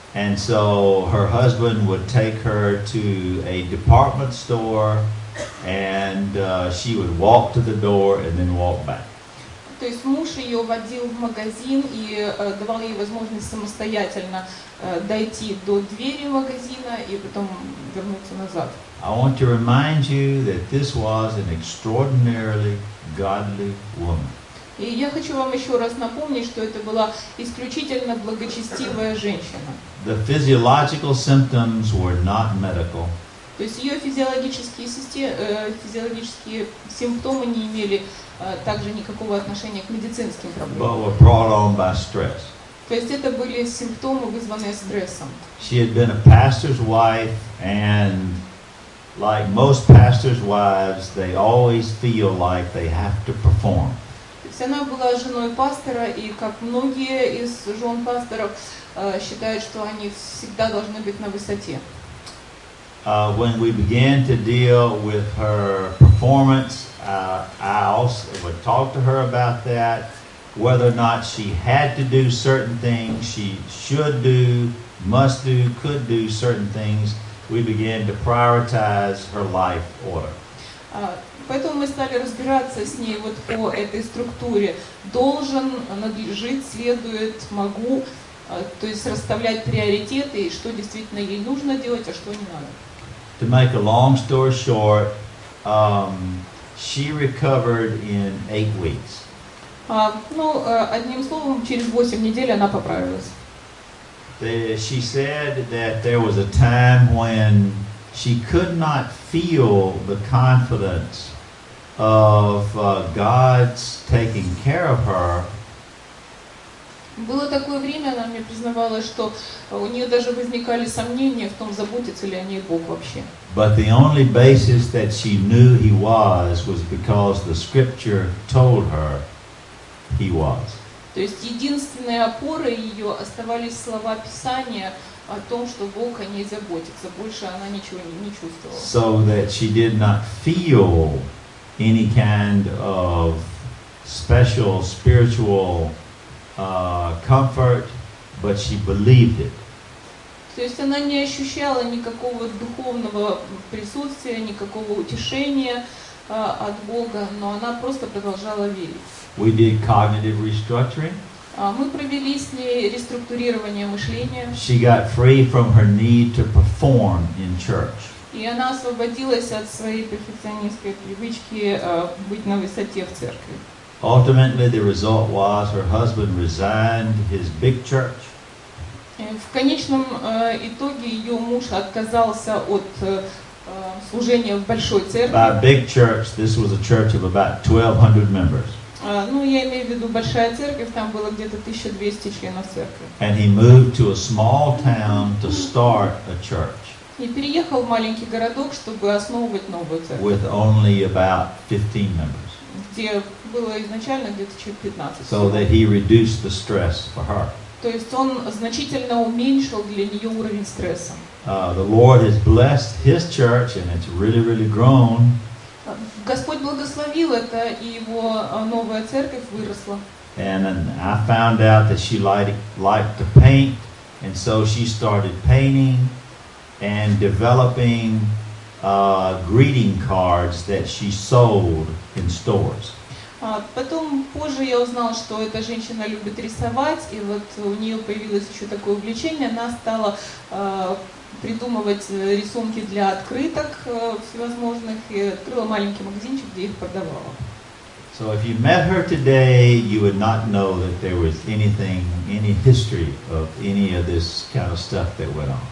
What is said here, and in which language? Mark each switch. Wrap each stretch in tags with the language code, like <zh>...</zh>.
<en>And so her husband would take her to a department store, and she would walk to the door and then walk back.</en> <ru>То есть муж ее водил в магазин и давал ей возможность самостоятельно дойти до двери магазина и потом вернуться назад.</ru> <en>I want to remind you that this was an extraordinarily godly woman.</en> <ru>И я хочу вам еще раз напомнить, что это была исключительно благочестивая женщина.</ru> <en>The physiological symptoms were not medical.</en> <ru>То есть ее физиологические симптомы не имели также никакого отношения к медицинским проблемам.</ru> <en>But were brought on by stress.</en> <ru>То есть это были симптомы, вызванные стрессом.</ru> <en>She had been a pastor's wife, and like most pastors' wives, they always feel like they have to perform.</en> <ru>Она была женой пастора, и как многие из жен пасторов считают, что они всегда должны быть на высоте.</ru> <en>When we began to deal with her performance, I would talk to her about that, whether or not she had to do certain things, she should do, must do, could do certain things. We began to prioritize her life order.</en> <ru>Поэтому мы стали разбираться с ней вот по этой структуре. Должен, надлежит, следует, могу. То есть расставлять приоритеты, что действительно ей нужно делать, а что не надо.</ru> <en>To make a long story short, she recovered in 8 weeks.</en> <ru>Одним словом, через 8 недель она поправилась.</ru> <en>She said that there was a time when she could not feel the confidence of God's taking care of her.</en> <ru>Было такое время, она мне признавала, что у нее даже возникали сомнения в том, заботится ли о ней Бог вообще.</ru> <en>But the only basis that she knew he was because the scripture told her he was.</en> <ru>То есть единственные опоры ее оставались слова Писания о том, что Бог о ней заботится. Больше она ничего не чувствовала.</ru> <en>So that she did not feel any kind of special spiritual comfort, but she believed it.</en> <ru>То есть она не ощущала никакого духовного присутствия, никакого утешения от Бога, но она просто продолжала верить.</ru> <en>We did cognitive restructuring.</en> <ru>Мы провели с ней реструктурирование мышления.</ru> <en>She got free from her need to perform in church.</en> <ru>И она освободилась от своей перфекционистской привычки быть на высоте в церкви.</ru> <en>Ultimately, the result was her husband resigned his big church.</en> <ru>В конечном итоге ее муж отказался от служения в большой церкви.</ru> <en>By big church, this was a church of about 1,200 members.</en> <ru>Я имею в виду большая церковь, там было где-то 1,200 членов церкви.</ru> <en>And he moved to a small town to start a church.</en> <ru>И переехал в маленький городок, чтобы основывать новую церковь.</ru> <en>With only about 15 members.</en> <ru>Где было изначально где-то человек 15.</ru> <en>So that he reduced the stress for her.</en> <ru>То есть он значительно уменьшил для нее уровень стресса.</ru> <en>The Lord has blessed his church, and it's really, really grown.</en> <ru>Господь благословил это, и его новая церковь выросла.</ru> <en>And I found out that she liked to paint, and so she started painting. and developing greeting cards that she sold in stores.</en> <ru>Потом позже я узнал, что эта женщина любит рисовать, и вот у нее появилось еще такое увлечение. Она стала придумывать рисунки для открыток всевозможных и открыла маленький магазинчик, где их продавала.</ru> <en>So if you met her today, you would not know that there was anything, any history of any of this kind of stuff that went on.</en>